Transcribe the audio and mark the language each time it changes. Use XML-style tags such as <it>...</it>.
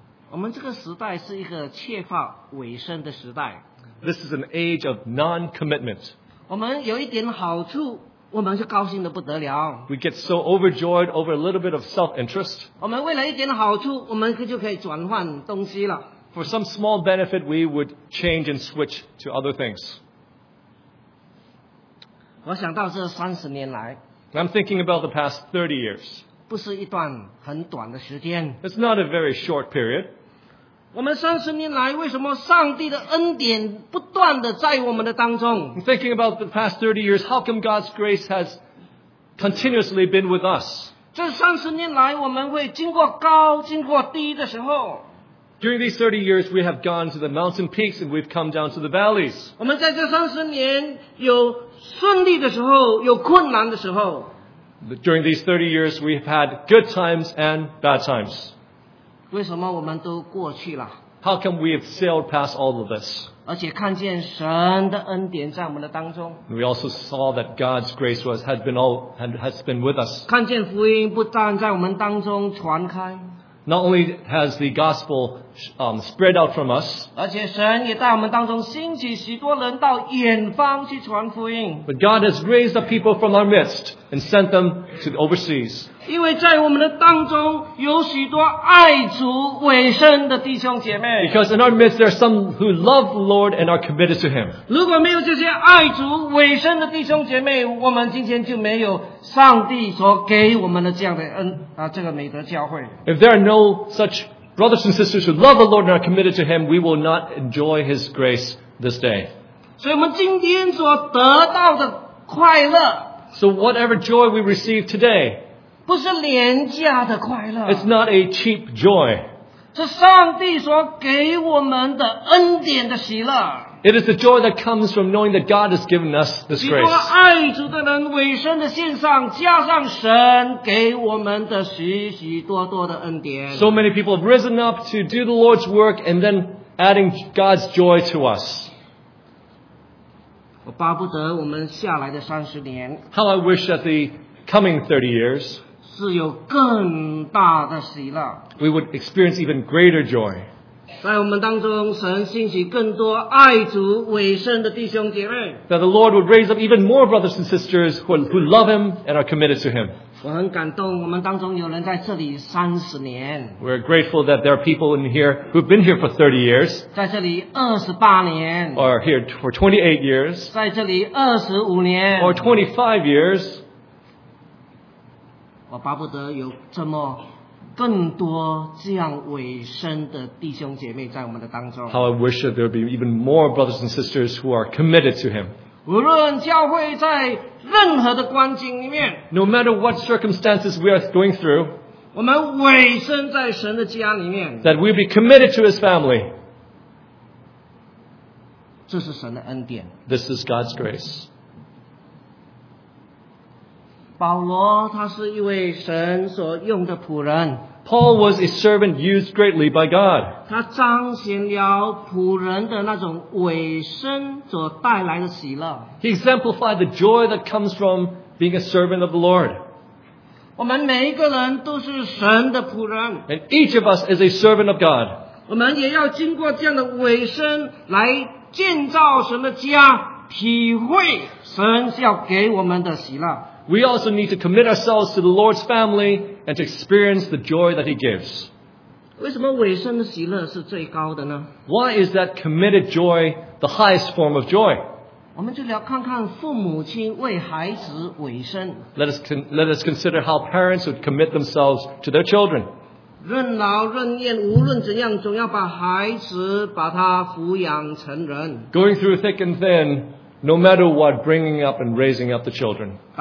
<zh>我们这个时代是一个怯化尾声的时代。</zh> <en>This is an age of non-commitment.</en> <zh>我们有一点好处，我们就高兴得不得了。</zh> <en>We get so overjoyed over a little bit of self-interest.</en> <zh>我们为了一点好处，我们就可以转换东西了。</zh> <en>For some small benefit, we would change and switch to other things.</en> <zh>我想到这30年来。</zh> <en>I'm thinking about the past 30 years.</en> <zh>不是一段很短的时间。</zh> <en>It's not a very short period.</en> <zh>我们30年来为什么上帝的恩典不断地在我们的当中。</zh> <en>I'm thinking about the past 30 years, how come God's grace has continuously been with us?</en> <zh>这30年来我们会经过高，经过低的时候。</zh> <en>During these 30 years, we have gone to the mountain peaks and we've come down to the valleys.</en> <zh>我们在这30年有顺利的时候，有困难的时候。</zh> <en>During these 30 years, we've had good times and bad times.</en> <zh>为什么我们都过去了？</zh> <en>How come we have sailed past all of this?</en> <zh>而且看见神的恩典在我们的当中。</zh> <en>We also saw that God's grace has been with us.</en> <zh>看见福音不但在我们当中传开。</zh> <en>Not only has the gospel spread out from us,</en> <zh>而且神也带我们当中兴起许多人到远方去传福音。</zh> <en>But God has raised up people from our midst and sent them to the overseas.</en> <zh>因为在我们的当中有许多爱主委身的弟兄姐妹。</zh> <en>Because in our midst there are some who love the Lord and are committed to Him.</en> <zh>如果没有这些爱主委身的弟兄姐妹，我们今天就没有上帝所给我们的这样的恩这个美德教会。</zh> <en>If there are no such brothers and sisters who love the Lord and are committed to Him, we will not enjoy His grace this day.</en> <zh>所以我们今天所得到的快乐。</zh> <en>So whatever joy we receive today,</en> <zh>不是廉价的快乐。</zh> <en>It's not a cheap joy.</en> <zh>是上帝所给我们的恩典的喜乐。</zh> <en>It is the joy that comes from knowing that God has given us this grace.</en> <zh>许多爱主的人委身的献上，加上神给我们的许许多多的恩典。</zh> <en>So many people have risen up to do the Lord's work and then adding God's joy to us.</en> <zh>我巴不得我们下来的三十年。</zh> <en>How I wish that the coming 30 years</en> <zh>是有更大的喜乐。</zh> <en>We would experience even greater joy.</en> <zh>在我们当中，神兴起更多爱主委身的弟兄姐妹。</zh> <en>That the Lord would raise up even more brothers and sisters who love Him and are committed to Him.</en> <zh>我很感动，我们当中有人在这里30年。</zh> <en>We're grateful that there are people in here who've been here for 30 years.</en> <zh>在这里28年。</zh> <en>Or here for 28 years.</en> <zh>在这里25年。</zh> <en>Or 25 years.</en> <zh>我巴不得有这么。更多这样委身的弟兄姐妹在我们的当中。</zh> <en>How I wish that there would be even more brothers and sisters who are committed to Him.</en> <zh>无论教会在任何的光景里面。</zh> <en>No matter what circumstances we are going through.</en> <zh>我们委身在神的家里面。</zh> <en>That we'll be committed to His family.</en> <zh>这是神的恩典。</zh> <en>This is God's grace.</en> <zh>保罗他是一位神所用的仆人。</zh> <en>Paul was a servant used greatly by God.</en> <zh>他彰显了仆人的那种委身所带来的喜乐。</zh> <en>He exemplified the joy that comes from being a servant of the Lord.</en> <zh>我们每一个人都是神的仆人。</zh> <en>And each of us is a servant of God.</en> <zh>我们也要经过这样的尾声来建造神的家，体会神要给我们的喜乐。</zh> <en>We also need to commit ourselves to the Lord's family and to experience the joy that He gives.</en> <zh>为什么尾声的喜乐是最高的呢？</zh> <en>Why is that committed joy the highest form of joy?</en> <zh>我们就来看看父母亲为孩子尾声。</zh> <en>Let us consider how parents would commit themselves to their children.</en> <zh>任劳任怨，无论怎样，总要把孩子把他抚养成人。</zh> <en>Going through thick and thin,No matter what, bringing up and raising up the children.</en>